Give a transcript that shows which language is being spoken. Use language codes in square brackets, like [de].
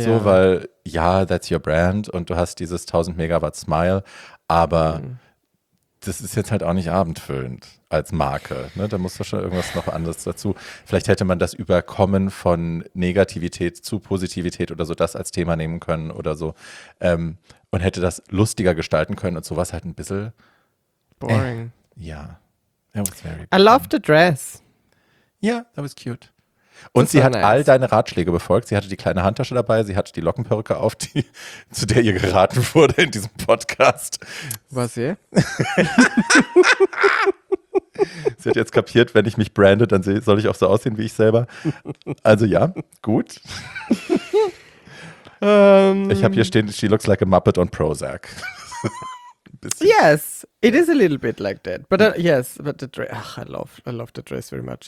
[de] So, weil, ja, [en] that's your brand [de] und du hast dieses 1000 Megawatt Smile, aber das ist jetzt halt auch nicht abendfüllend als Marke. Ne? Da musst du schon irgendwas noch anderes dazu. Vielleicht hätte man das Überkommen von Negativität zu Positivität oder so das als Thema nehmen können oder so. Und hätte das lustiger gestalten können und sowas halt ein bisschen [en] boring. [de] Ja. [en] That was very boring. I love the dress. Ja, yeah, that was cute. [de] Und sie hat all deine Ratschläge befolgt. Sie hatte die kleine Handtasche dabei, sie hatte die Lockenperücke auf, die, zu der ihr geraten wurde in diesem Podcast. Was ihr? Sie hat jetzt kapiert, wenn ich mich brande, dann soll ich auch so aussehen wie ich selber. Also ja, gut. Ich habe hier stehen, [en] she looks like a Muppet on Prozac. Yes, it is a little bit like that. But yes, but the dress, ach, I love the dress very much.